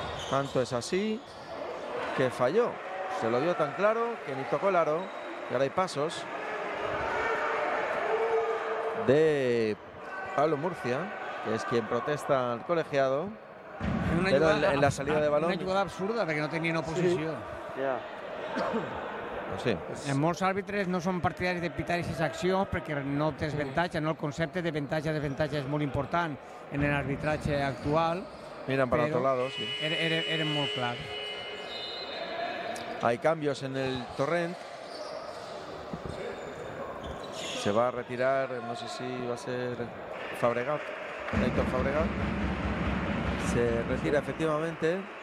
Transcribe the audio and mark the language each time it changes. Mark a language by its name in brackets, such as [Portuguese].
[Spanish] Tanto es así que falló, se lo dio tan claro que ni tocó el aro. Y ahora hay pasos de Pablo Murcia, que es quien protesta al colegiado. Pero en la salida de balón. Una jugada absurda, porque no tenía oposición. Sí. Yeah. Sí. [Catalan] En molts àrbitres no són partidaris de pitar aquestes accions perquè no tens ventatge, no? El concepte de ventatge desventatge és molt important en l'arbitratge actual. Miren per l'altre lado, sí. Eren molt clar. [Spanish] Hay cambios en el Torrent. Se va a retirar, no sé si va a ser Fabregat, Héctor Fabregat. Se retira efectivamente.